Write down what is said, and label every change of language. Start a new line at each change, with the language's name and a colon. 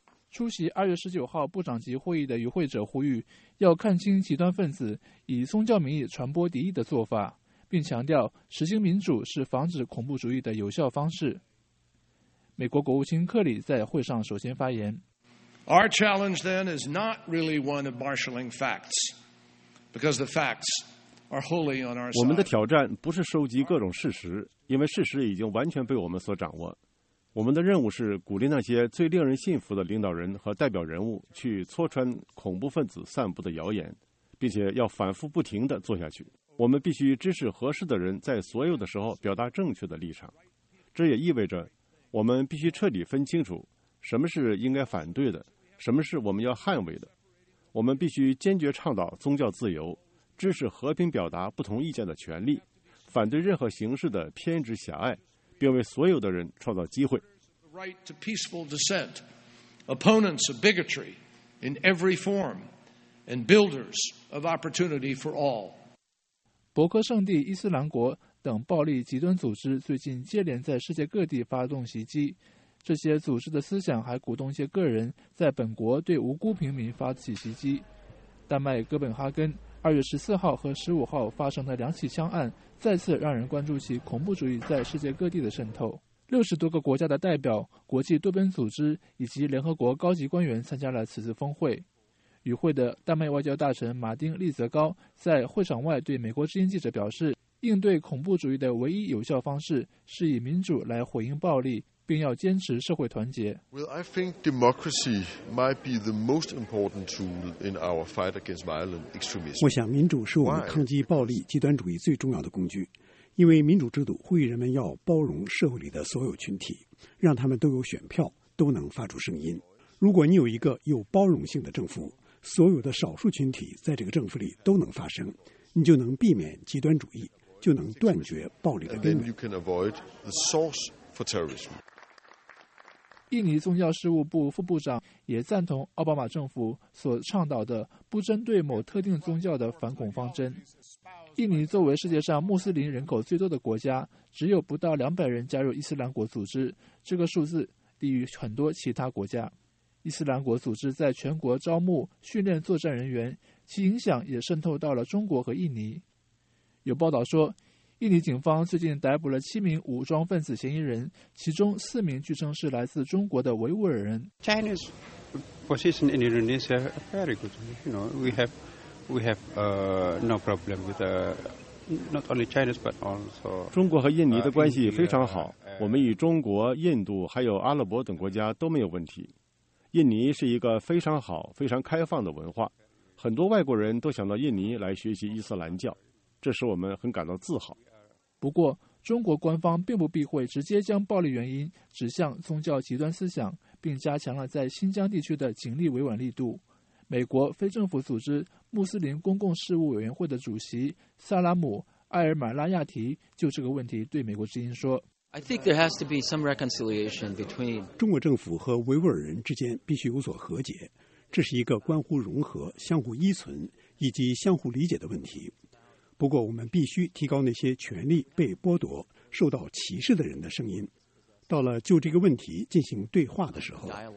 Chinese: 出席2月19号部长级会议的与会者呼吁，要看清极端分子以宗教名义传播敌意的做法，并强调实行民主是防止恐怖主义的有效方式。美国国务卿克里在会上首先发言。
English: Our challenge then is not really one of marshalling facts, because the facts are wholly on our side.
Chinese: 我们的挑战不是收集各种事实，因为事实已经完全被我们所掌握。我们的任务是鼓励那些最令人信服的领导人和代表人物去戳穿恐怖分子散布的谣言，并且要反复不停地做下去。我们必须支持合适的人在所有的时候表达正确的立场。这也意味着我们必须彻底分清楚什么是应该反对的，什么是我们要捍卫的。我们必须坚决倡导宗教自由，支持和平表达不同意见的权利，反对任何形式的偏执狭隘，并为所有的人创造机会。
English: The right to peaceful dissent, opponents of bigotry in every form, and builders of opportunity for all.
Chinese: 博克圣地、伊斯兰国等暴力极端组织最近接连在世界各地发动袭击，这些组织的思想还鼓动一些个人在本国对无辜平民发起袭击。丹麦哥本哈根2月14号和15号发生的两起枪案，再次让人关注起恐怖主义在世界各地的渗透。 60多个国家的代表、国际多边组织以及联合国高级官员参加了此次峰会。与会的丹麦外交大臣马丁·利泽高在会场外对美国之音记者表示，应对恐怖主义的唯一有效方式是以民主来回应暴力，并要坚持社会团结。
English: Well, I think democracy might be the most important tool in our fight against violent extremism.
Chinese: 我想民主是我们抗击暴力极端主义最重要的工具，因为民主制度呼吁人们要包容社会里的所有群体，让他们都有选票，都能发出声音。如果你有一个有包容性的政府，所有的少数群体在这个政府里都能发声，你就能避免极端主义，就能断绝暴力的根源。
English: You can avoid the source. For terrorism.
Chinese: 印尼宗教事务部副部长也赞同奥巴马政府所倡导的不针对某特定宗教的反恐方针。印尼作为世界上穆斯林人口最多的国家，只有不到200人加入伊斯兰国组织，这个数字低于很多其他国家。伊斯兰国组织在全国招募训练作战人员，其影响也渗透到了中国和印尼。有报道说，印尼警方最近逮捕了7名武装分子嫌疑人，其中4名据称是来自中国的维吾尔人。
English: China's position in Indonesia is very good. You know, we have no problem with not only China's but also.
Chinese: 中国和印尼的关系非常好，我们与中国、印度还有阿拉伯等国家都没有问题。印尼是一个非常好、非常开放的文化，很多外国人都想到印尼来学习伊斯兰教。这使我们很感到自豪。不过，中国官方并不避讳直接将暴力原因指向宗教极端思想，并加强了在新疆地区的警力维稳力度。美国非政府组织穆斯林公共事务委员会的主席萨拉姆·埃尔马拉亚提就这个问题对美国之音说：
English: I think there has to be some reconciliation between
Chinese: 中国政府和维吾尔人之间必须有所和解，这是一个关乎融合、相互依存以及相互理解的问题。不过我们必须提高那些权利被剥夺、受到歧视的人的声音。到了就这个问题进行对话的时候。